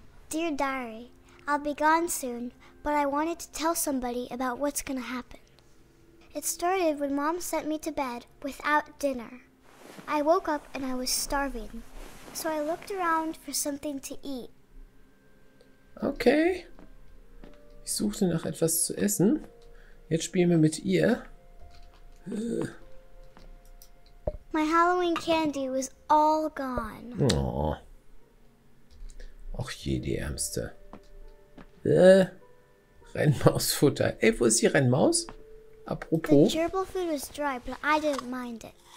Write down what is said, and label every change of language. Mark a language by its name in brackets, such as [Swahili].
[English] Dear Diary, I'll be gone soon, but I wanted to tell somebody about what's gonna happen. It started when Mom sent me to bed without dinner. I woke up and I was starving, so I looked around for something to eat. Okay. [German] Ich suchte nach etwas zu essen. Jetzt spielen wir mit ihr. [English] My Halloween candy was all gone. [German] Oh. Och je, die Ärmste. Rennmausfutter. Ey, wo ist die Rennmaus? [English] The [German] Apropos. [English] gerbil food was dry, but I didn't mind it.